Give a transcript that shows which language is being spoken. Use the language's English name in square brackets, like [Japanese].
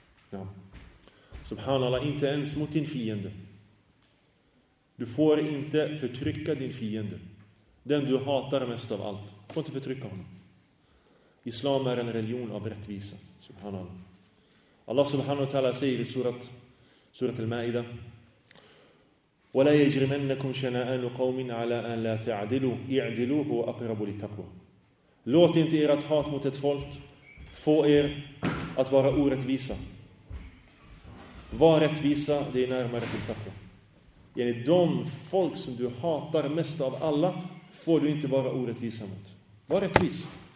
[Swedish] Ja. Subhanallah, inte ens mot din fiende. Du får inte förtrycka din fiende. Den du hatar mest av allt. Du får inte förtrycka honom. Islam är en religion av rättvisa. Subhanallah. [Arabic] Allah subhanahu wa ta'ala [Swedish] säger i [Arabic] surat al-Ma'ida, وَلَا يَجْرِمَنَّكُمْ شَنَاءَنُ قَوْمٍ عَلَىٰ أَنْ لَا تَعْدِلُوا اِعْدِلُوهُ وَأَقْرَبُوا لِتَقْوَى. [Swedish] Låt inte ert hat mot ett folk få er att vara orättvisa. Var rättvisa, det är närmare till taqwa. Yani de folk som du hatar mest av alla får du inte vara orättvisa mot. Var rättvis.